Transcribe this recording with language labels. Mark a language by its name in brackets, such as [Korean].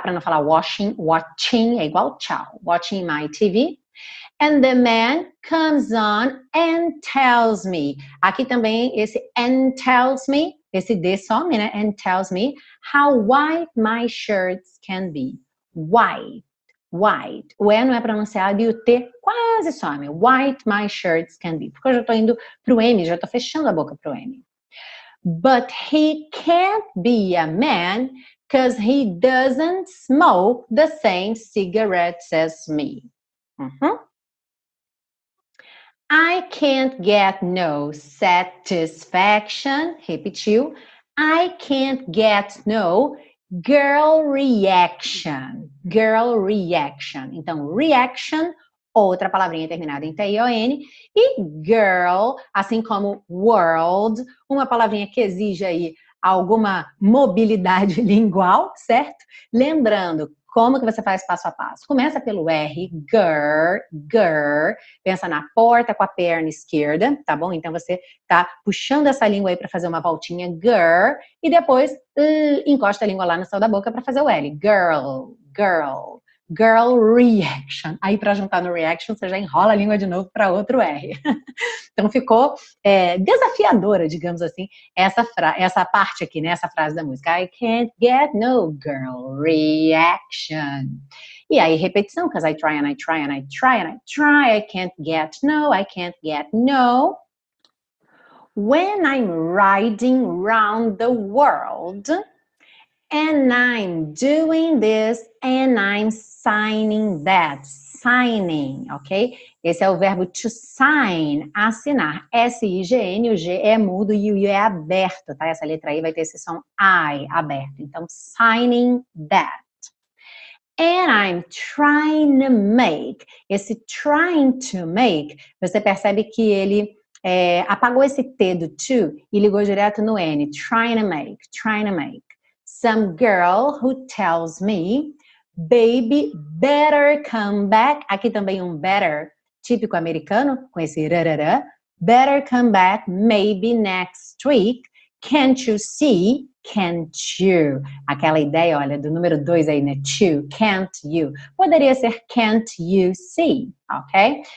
[Portuguese] Pra não falar [English] washing, watching, [Portuguese] é igual tchau, [English] watching my TV, and the man comes on and tells me, [Portuguese] aqui também esse [English] and tells me, [Portuguese] esse D some, né? [English] And tells me how white my shirts can be. White, white. [Portuguese] O E não é pronunciado e o T quase some. [English] White my shirts can be. [Portuguese] Porque eu já tô indo pro M, já tô fechando a boca pro M. [English] But he can't be a man because he doesn't smoke the same cigarettes as me. Uhum. I can't get no satisfaction, repetiu. I can't get no girl reaction. Girl reaction. [Portuguese] Então, reaction, outra palavrinha terminada em T-I-O-N. E girl, assim como world, uma palavrinha que exige aí alguma mobilidade lingual, certo? Lembrando, como que você faz passo a passo? Começa pelo R, girl, girl. Pensa na porta com a perna esquerda, tá bom? Então você tá puxando essa língua aí pra fazer uma voltinha, girl. E depois, encosta a língua lá no céu da boca pra fazer o L. Girl, girl, Girl Reaction. Aí, para juntar no Reaction, você já enrola a língua de novo para outro R. Então, ficou desafiadora, digamos assim, essa parte aqui, né? Essa frase da música. [English] I can't get no girl reaction. [Portuguese] E aí, repetição, [English] because I try and I try and I try and I try. I can't get no, I can't get no. When I'm riding round the world, and I'm doing this, and I'm signing that. Signing, ok? [Portuguese] Esse é o verbo to sign, assinar. S-I-G-N, o G é mudo e o I é aberto, tá? Essa letra aí vai ter esse som I aberto. Então, [English] signing that. And I'm trying to make. [Portuguese] Esse trying to make, você percebe que ele apagou esse T do to e ligou direto no N. [English] Trying to make, trying to make. Some girl who tells me, baby, better come back. [Portuguese] Aqui também better, típico americano, com esse rarará. [English] Better come back, maybe next week. Can't you see? Can't you? [Portuguese] Aquela ideia, olha, do número 2 aí, né? [English] To, can't you. [Portuguese] Poderia ser [English] can't you see, ok?